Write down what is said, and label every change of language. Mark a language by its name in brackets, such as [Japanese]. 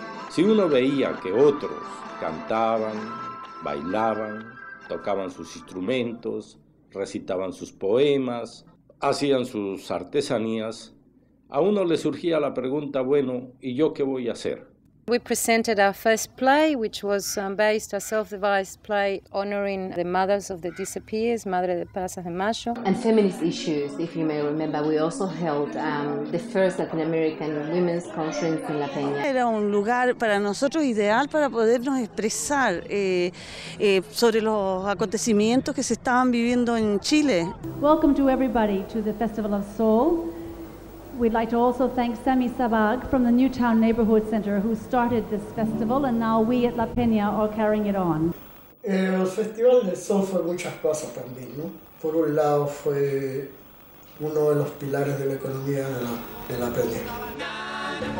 [Spanish] Si uno veía que otros cantaban, bailaban, tocaban sus instrumentos, recitaban sus poemas, hacían sus artesanías, a uno le surgía la pregunta, bueno, ¿y yo qué voy a hacer? [English] We presented our first play, which was based, a self-devised play, honoring the mothers of the disappeared, Madre de Paz and Mayo. And feminist issues, if you may remember, we also held the first Latin American women's conference in La Peña. [Spanish] Era un lugar para nosotros ideal para podernos expresar sobre los acontecimientos que se estaban viviendo en Chile. [English] Welcome to everybody to the Festival of Soul. We'd like to also thank Sammy Sabag from the Newtown Neighborhood Center, who started this festival, and now we at La Peña are carrying it on. [Spanish] El Festival del Sol fue muchas cosas también, ¿no? Por un lado, fue uno de los pilares de la economía de La Peña.